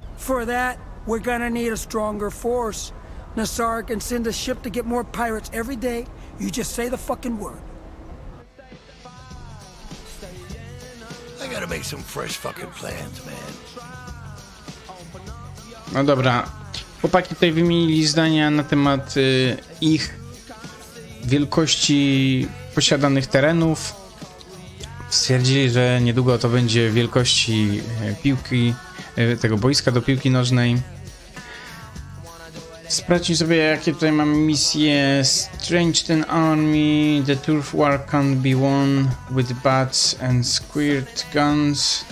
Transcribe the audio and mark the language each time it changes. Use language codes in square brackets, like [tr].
[en] For that, we're gonna need a stronger force. Nassar can send a ship to get more pirates every day. You just say the fucking word. I gotta make some fresh fucking plans, man. [pl] No dobra. Chłopaki tutaj wymienili zdania na temat ich wielkości posiadanych terenów. Stwierdzili, że niedługo to będzie wielkości piłki, tego boiska do piłki nożnej. Sprawdźmy sobie, jakie tutaj mamy misje. [en] Strange ten army, the turf war can't be won with bats and squirt guns.